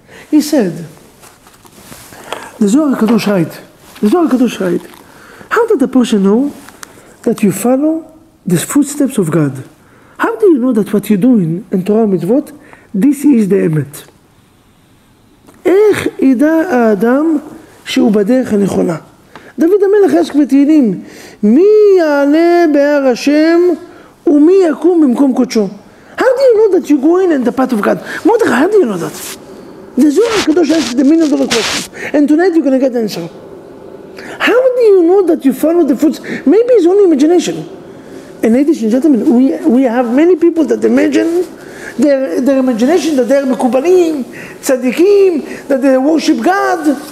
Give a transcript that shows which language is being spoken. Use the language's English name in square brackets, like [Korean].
[English] He said, the Zohar HaKadosh Haid, the Zohar HaKadosh Haid, how did the person know that you follow the footsteps of God? How do you know that what you're doing in Torah Mitzvot, this is the Emet? [Hebrew] איך ידע האדם שהוא בדרך הנכונה? דוד המלך עסק בתהילים, מי יעלה בהר השם ומי יקום במקום קודשו? [English] How do you know that you're going in the path of God? מודך, how do you know that? The Zohar HaKadosh asks the million dollar question. And tonight you're going to get the answer. How do you know that you follow the foot? Maybe it's only imagination. And ladies and gentlemen, we have many people that imagine their imagination, that they are mekubalim, tzadikim, that they worship God.